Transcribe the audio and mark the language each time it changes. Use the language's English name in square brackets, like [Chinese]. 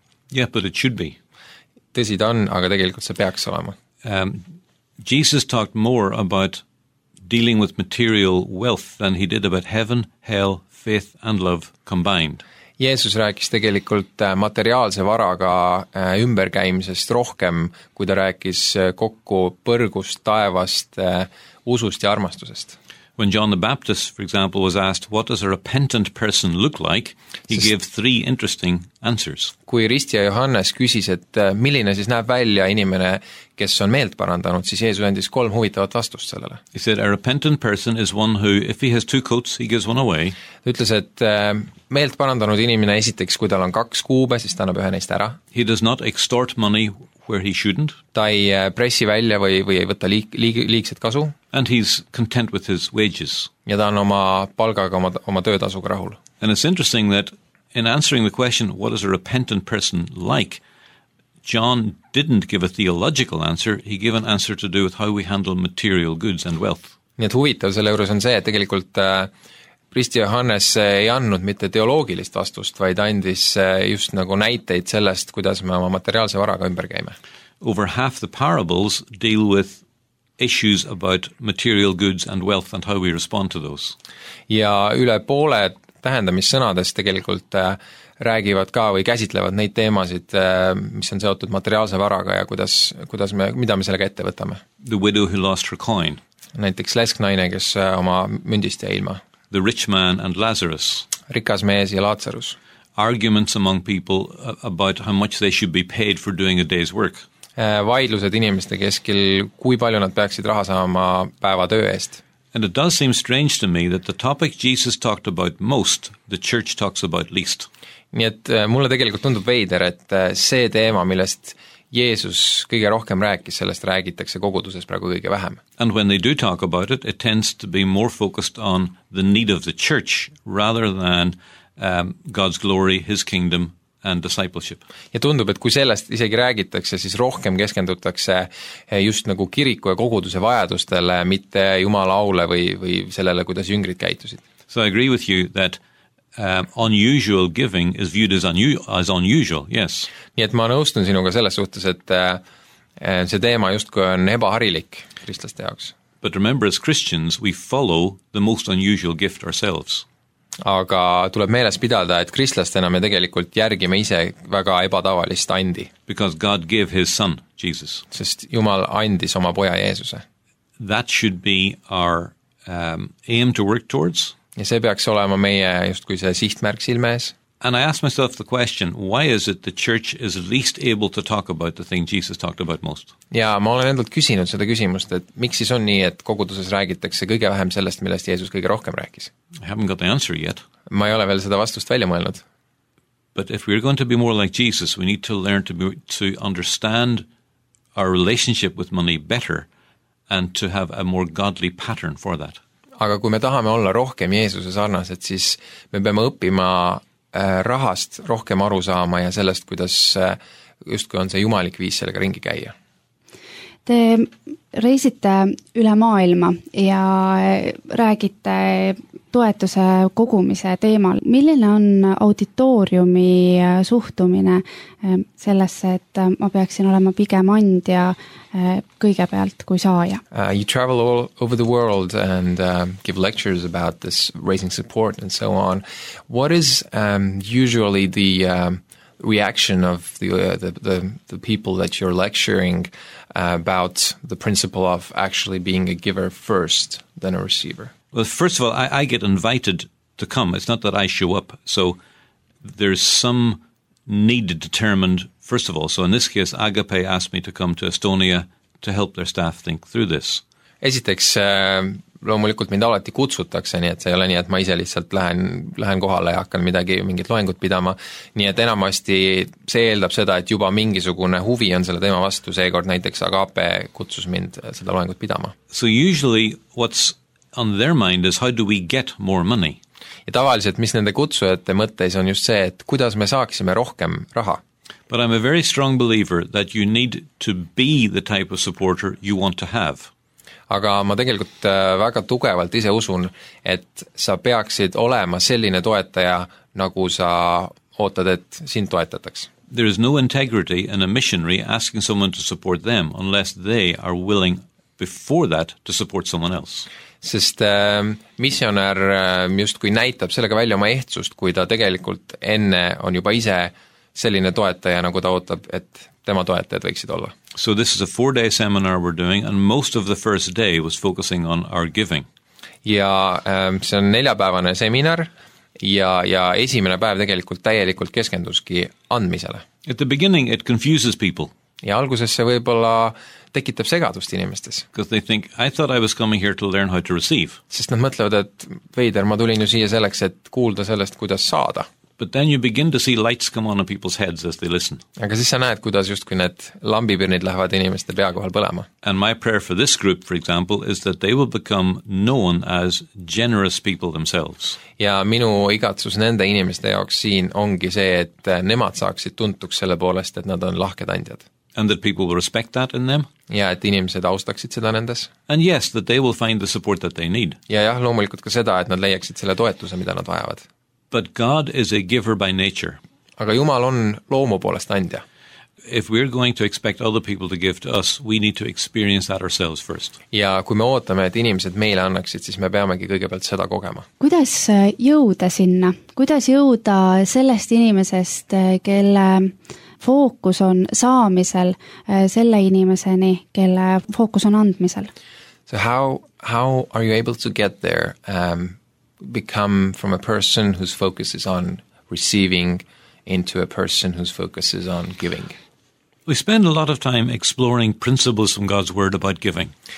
[English] Yeah, but it should be. [Estonian] Tõsi ta on, aga tegelikult see peaks olema. [English] Jesus talked more about dealing with material wealth than he did about heaven, hell, faith and love combined. [Estonian] Jeesus rääkis tegelikult materiaalse varaga ümberkäimisest rohkem, kui ta rääkis kokku põrgust, taevast, usust ja armastusest. [English] When John the Baptist, for example, was asked, what does a repentant person look like, he gave three interesting answers. [Estonian] Kui Ristija Johannes küsis, et milline siis näeb välja inimene, kes on meelt parandanud, siis Jeesus andis kolm huvitavat vastust sellele. [English] He said, a repentant person is one who, if he has two coats, he gives one away. [Estonian] Ta ütles, et meelt parandanud inimene esiteks, kui tal on kaks kuube, siis ta annab ühe neist ära. [English] He does not extort money where he shouldn't. [Estonian] Ta ei pressi välja või ei võtta liigset kasu. [English] And he's content with his wages. [Estonian] Ja ta on oma palgaga oma töötasuga rahul. [English] And it's interesting that in answering the question, what is a repentant person like, John didn't give a theological answer, he gave an answer to do with how we handle material goods and wealth. [Estonian] Nii et huvitav selle juures on see, et tegelikult Risti Johannes ei annud mitte teoloogilist vastust, vaid andis just nagu näiteid sellest, kuidas me oma materiaalse varaga ümber käime. [English] Over half the parables deal with issues about material goods and wealth and how we respond to those. [Estonian] Ja üle poole tähendamissõnades tegelikult räägivad ka või käsitlevad neid teemasid, mis on seotud materiaalse varaga ja mida me sellega ette võtame. [English] The widow who lost her coin. [Estonian] Näiteks lesknaine, kes oma mündist jäi ilma. [English] The rich man and Lazarus. [Estonian] Rikas mees ja Laatsarus. [English] Arguments among people about how much they should be paid for doing a day's work. [Estonian] Vaidlused inimeste keskil, kui palju nad peaksid raha saama päeva töö eest. [English] And it does seem strange to me that the topic Jesus talked about most, the church talks about least. [Estonian] Nii et mulle tegelikult tundub veider, et see teema, millest Jeesus kõige rohkem rääkis, sellest räägitakse koguduses praegu kõige vähem. [English] And when they do talk about it, it tends to be more focused on the need of the church rather than God's glory, his kingdom and discipleship. [Estonian] Ja tundub, et kui sellest isegi räägitakse, siis rohkem keskendutakse just nagu kiriku ja koguduse vajadustele, mitte Jumala aule või sellele, kuidas jüngrid käitusid. [English] So I agree with you that unusual giving is viewed as unusual, yes. [Estonian] Nii et ma nõustun sinuga selles suhtes, et see teema just kui on ebaharilik kristlaste jaoks. [English] But remember, as Christians, we follow the most unusual gift ourselves. [Estonian] Aga tuleb meeles pidada, et kristlastena me tegelikult järgime ise väga ebatavalist andi. [English] Because God gave his son, Jesus. [Estonian] Sest Jumal andis oma poja Jeesuse. [English] That should be our aim to work towards. [Estonian] Ja see peaks olema meie just kui see sihtmärk silme ees. [English] And I asked myself the question, why is it the church is least able to talk about the thing Jesus talked about most? [Estonian] Ja ma olen endalt küsinud seda küsimust, et miks siis on nii, et koguduses räägitakse kõige vähem sellest, millest Jeesus kõige rohkem rääkis? [English] I haven't got the answer yet. [Estonian] Ma ei ole veel seda vastust välja mõelnud. [English] But if we're going to be more like Jesus, we need to learn to understand our relationship with money better and to have a more godly pattern for that. [Estonian] Aga kui me tahame olla rohkem Jeesuse sarnased, siis me peame õppima rahast rohkem aru saama ja sellest, kuidas justkui on see jumalik viis sellega ringi käia. Te reisite üle maailma ja räägite toetuse kogumise teemal. Milline on auditooriumi suhtumine sellesse, et ma peaksin olema pigem andja kõigepealt kui saaja? [English] You travel all over the world and give lectures about this raising support and so on. What is usually the reaction of the people that you're lecturing about the principle of actually being a giver first than a receiver? Well, first of all, I get invited to come. It's not that I show up. So there's some need determined, first of all. So in this case, Agape asked me to come to Estonia to help their staff think through this. [Estonian] Esiteks, loomulikult mind alati kutsutakse, nii et see ei ole nii, et ma ise lihtsalt lähen kohale ja hakkan midagi mingit loengut pidama. Nii et enamasti see eeldab seda, et juba mingisugune huvi on selle teema vastu. Seekord näiteks Agape kutsus mind seda loengut pidama. [English] So usually what's on their mind is how do we get more money? [Estonian] Ja tavaliselt, mis nende kutsujate mõttes on just see, et kuidas me saaksime rohkem raha. [English] But I'm a very strong believer that you need to be the type of supporter you want to have. [Estonian] Aga ma tegelikult väga tugevalt ise usun, et sa peaksid olema selline toetaja, nagu sa ootad, et sind toetataks. [English] There is no integrity in a missionary asking someone to support them unless they are willing before that to support someone else. [Estonian] Sest missionär just kui näitab sellega välja oma ehtsust, kui ta tegelikult enne on juba ise selline toetaja, nagu ta ootab, et tema toetajad võiksid olla. [English] So this is a 4-day seminar we're doing and most of the first day was focusing on our giving. [Estonian] Ja see on 4-päevane seminar ja esimene päev tegelikult täielikult keskenduski andmisele. [English] At the beginning it confuses people. [Estonian] Ja alguses see võibolla tekitab segadust inimestes. [English] Because they think, I thought I was coming here to learn how to receive. [Estonian] Sest nad mõtlevad, et Veider, ma tulin ju siia selleks, et kuulda sellest, kuidas saada. [English] But then you begin to see lights come on people's heads as they listen. [Estonian] Aga siis sa näed, kuidas just kui need lambipirnid lähevad inimeste peakohal põlema. [English] And my prayer for this group, for example, is that they will become known as generous people themselves. [Estonian] Ja minu igatsus nende inimeste jaoks siin ongi see, et nemad saaksid tuntuks selle poolest, et nad on lahked andjad. [English] And that people will respect that in them. [Estonian] Ja, et inimesed austaksid seda nendes. [English] And yes, that they will find the support that they need. [Estonian] Ja loomulikult ka seda, et nad leiaksid selle toetuse, mida nad vajavad. [English] But God is a giver by nature. [Estonian] Aga Jumal on loomu poolest andja. [English] If we're going to expect other people to give to us, we need to experience that ourselves first. [Estonian] Ja kui me ootame, et inimesed meile annaksid, siis me peamegi kõigepealt seda kogema. Kuidas jõuda sinna? Kuidas jõuda sellest inimesest, kelle fookus on saamisel selle inimeseni, kelle fookus on andmisel? [English] So how are you able to get there, become from a person whose focus is on receiving into a person whose focus is on giving? We spend a lot of time exploring principles from God's word about giving.